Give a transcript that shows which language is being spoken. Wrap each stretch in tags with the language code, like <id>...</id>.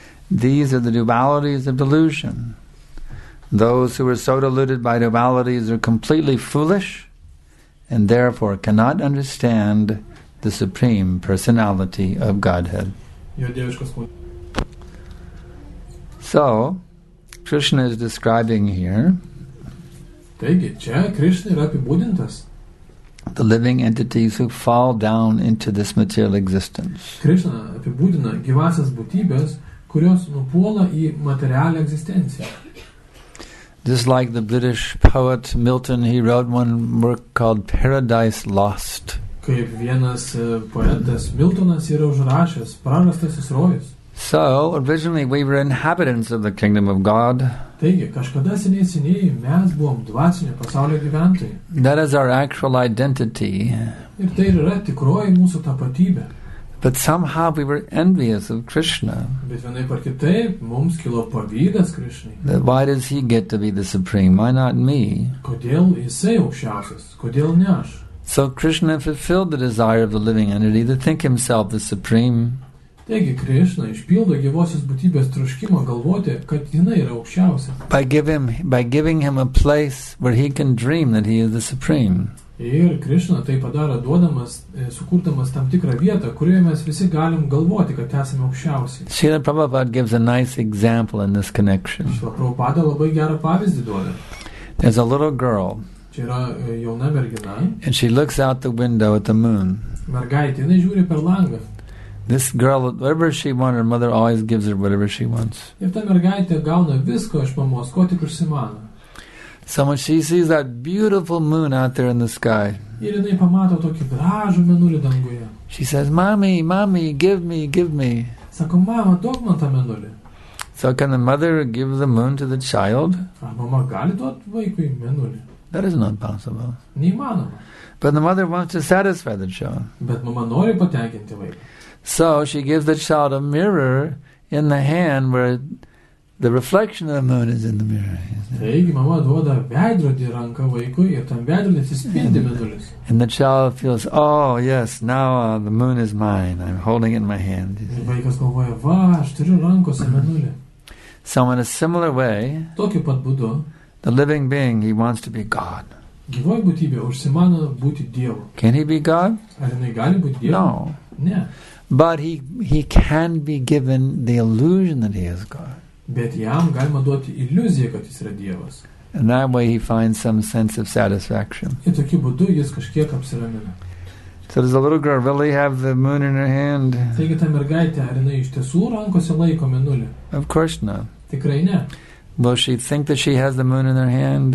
<en>These are the dualities of delusion. Those who are so deluded by dualities are completely foolish and therefore cannot understand the Supreme Personality of Godhead. So, Krishna is describing here the living entities who fall down into this material existence.</en> <lt>Krishna apibūdina gyvasias būtybės, kurios nupuola į materialią egzistenciją.</lt> <en>Just like the British poet Milton, he wrote one work called Paradise Lost.</en> <lt>Kaip vienas poetas Miltonas yra užrašęs prarastasis rojus.</lt> <en>So, originally we were inhabitants of the kingdom of God.</en> <lt>Taigi, kažkada seniai mes buvom dvasinio pasaulio gyventojai.</lt> <en>That is our actual identity.</en> <lt>Ir tai yra tikroji mūsų tapatybė.</lt> <en>But somehow we were envious of Krishna.</en> <lt>Bet vienaip ar kitaip, mums kilo pavydas Krishnai.</lt> <en>That why does he get to be the supreme? Why not me?</en> <lt>Kodėl jisai aukščiausias? Kodėl ne aš?</lt> <en>So Krishna fulfilled the desire of the living entity to think himself the supreme.</en> <lt>Taigi Krishna išpildo gyvosios būtybės troškimą galvoti, kad jinai yra aukščiausia.</lt> <en>By giving him a place where he can dream that he is the supreme.</en> <lt>Ir Krishna tai padaro duodamas, sukurdamas tam tikrą vietą, kurioje mes visi galim galvoti, kad esame aukščiausi.</lt> <en>Srila Prabhupada gives a nice example in this connection.</en> <lt>Srila Prabhupada labai gerą pavyzdį duoda.</lt> <en>There's a little girl.</en> <lt>Čia yra jauna mergina.</lt> <en>And she looks out the window at the moon.</en> <lt>Mergaitė, jinai žiūri per langą.</lt> <en>This girl, whatever she wants, her mother always gives her whatever she wants.</en> <lt>Ir ta mergaitė gauna visko iš mamos, ko tik užsimano.</lt> <en>So when she sees that beautiful moon out there in the sky,</en> <lt>ir jinai pamato tokį gražų mėnulį danguje,</lt> <en>she says, Mommy, give me.</en> <lt>Sako, mama, duok man tą mėnulį.</lt> <en>So can the mother give the moon to the child?</en> <lt>Ar mama gali duoti vaikui mėnulį?</lt> <en>That is not possible.</en> <lt>Neįmanoma.</lt> <en>But the mother wants to satisfy the child.</en> <lt>Bet mama nori patenkinti vaiką.</lt> <en>So she gives the child a mirror in the hand where the reflection of the moon is in the mirror.</en> <lt>Taigi, mama duoda veidrodį ranką vaikui ir tam veidrodį atsispindi mėnulis.</lt> <en>And the child feels, oh yes, now the moon is mine. I'm holding it in my hand.</en> <lt>Ir vaikas galvoja, va, aš turiu rankose mėnulį.</lt> <en>So in a similar way,</en> <lt>tokiu pat būdu,</lt> <en>the living being, he wants to be God.</en> <lt>Gyvoji būtybė užsimano būti Dievu.</lt> <en>Can he be God?</en> <lt>Ar jinai gali būti Dievu?</lt> <en>No.</en> <lt>Ne.</lt> <en>But he can be given the illusion that he is God.</en> <lt>Bet jam galima duoti iliuziją, kad jis yra Dievas.</lt> <en>And that way he finds some sense of satisfaction.</en> <lt>Ir tokiu būdu jis kažkiek apsiramina.</lt> <en>So does the little girl really have the moon in her hand?</en> <lt>Taigi ta mergaitė, ar jinai iš tiesų rankose laiko mėnulį?</lt> <en>Of course not.</en> <lt>Tikrai ne.</lt> <en>Will she think that she has the moon in her hand?</en>